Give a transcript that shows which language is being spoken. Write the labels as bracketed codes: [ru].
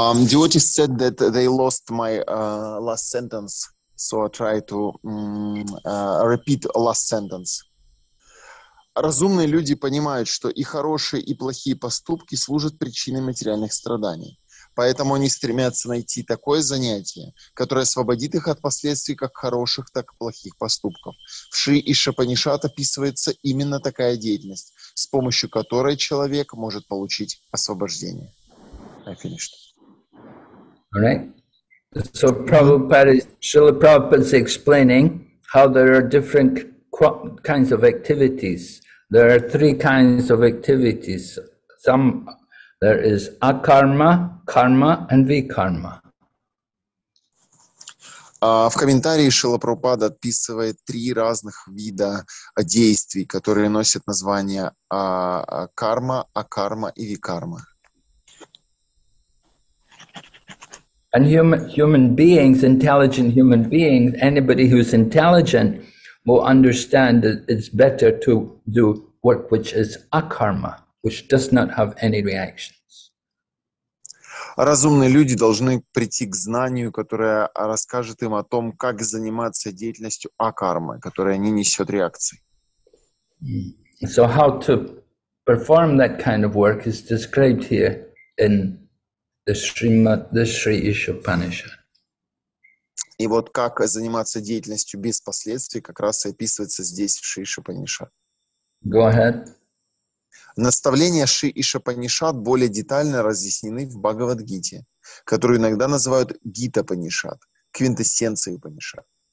[en] Devotees said that they lost my last sentence, so I try to repeat last sentence. [ru] Разумные люди понимают, что и хорошие, и плохие поступки служат причиной материальных страданий. Поэтому они стремятся найти такое занятие, которое освободит их от последствий как хороших, так и плохих поступков. В Шри Ишапанишат описывается именно такая деятельность, с помощью которой человек может получить освобождение. [en] I finished. All right. So Srila Prabhupada is explaining how there are different kinds of activities. There are three kinds of activities. There is akarma, karma, and vikarma. [ru] В комментарии Шрила Прабхупада описывает три разных вида действий, которые носят название карма, акарма и викарма. [en] And human beings, intelligent human beings, anybody who's intelligent will understand that it's better to do work which is akarma, which does not have any reactions. [ru] Разумные люди должны прийти к знанию, которое расскажет им о том, как заниматься деятельностью акармы, которая не несет реакции. [en] So how to perform that kind of work is described here in the Sri Ishopanishad. [ru] И вот как заниматься деятельностью без последствий как раз и описывается здесь в Шри Ишопанишад. [en] Go ahead. [ru] Наставления Шри Ишопанишад более детально разъяснены в Бхагавад-гите, которую иногда называют Гита-панишад, квинтэссенцией панишад.